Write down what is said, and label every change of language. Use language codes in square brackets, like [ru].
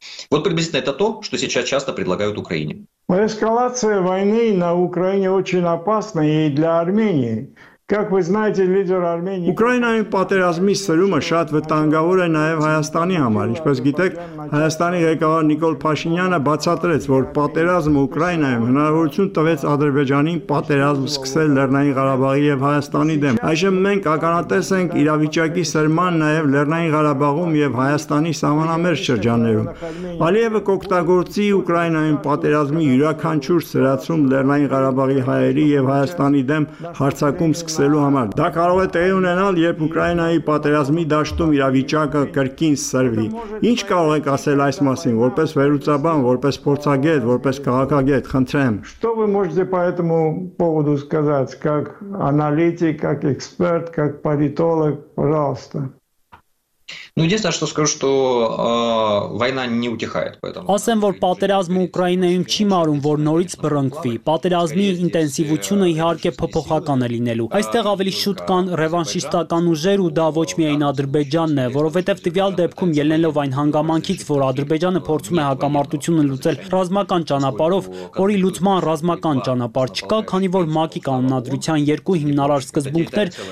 [ru] Вот приблизительно это то, что сейчас часто предлагают Украине. Эскалация войны на Украине очень опасна и для Армении. Как вы знаете, лидер Армении. [hy] Ուկրաինայի պատերազմի սրումը շատ վտանգավոր է նաև Հայաստանի համար, ինչպես գիտեք, Հայաստանի ղեկավար Նիկոլ Փաշինյանը բացատրեց, որ պատերազմը Ուկրաինայում հնարավորություն տվեց Ադրբեջանին պատերազմ սկսել Լեռնային Ղարաբաղի եւ Հայաստանի դեմ։ Այժմ մենք ականատես ենք իրավիճակի սրման նաև Լեռնային Ղարաբաղում եւ Հայաստանի սահմանամերջ շրջաններում։ Ալիևը կօգտագործի Ուկրաինայում պատերազմի յուրաքանչյուր սրացում Լեռնային Ղարաբաղի հայերի եւ Հայաստանի դեմ հարձակում սկսելու համար։ Դա կարող է տեղի ունենալ, երբ Ուկրաինայի պատերազմի դաշտում իրավիճակը կրկին սրվի։ Ինչ կարող ենք ասել այս մասին, որպես վերլուծաբան, որպես փորձագետ, որպես քաղաքագետ, խնդրեմ։ [ru] Что вы можете по этому поводу сказать, как аналитик, как эксперт, как политолог, пожалуйста? Ну, единственное, что скажу, что война не утихает, поэтому. [hy] Ասեմ, որ պատերազմը Ուկրաինայում չի մարում, որ նորից բռնկվի։ Պատերազմի ինտենսիվությունը իհարկե փոփոխական է լինելու։ Այստեղ ավելի շուտ կան ռևանշիստական ուժեր ու դա ոչ միայն Ադրբեջանն է, որովհետև տվյալ դեպքում ելնելով այն հանգամանքից, որ Ադրբեջանը փորձում է հակամարտությունը լուծել ռազմական ճանապարով, որի լուծման ռազմական ճանապար չկա, քանի որ ՄԱԿ-ի կանոնադրության երկու հիմնարար սկզբունքներ՝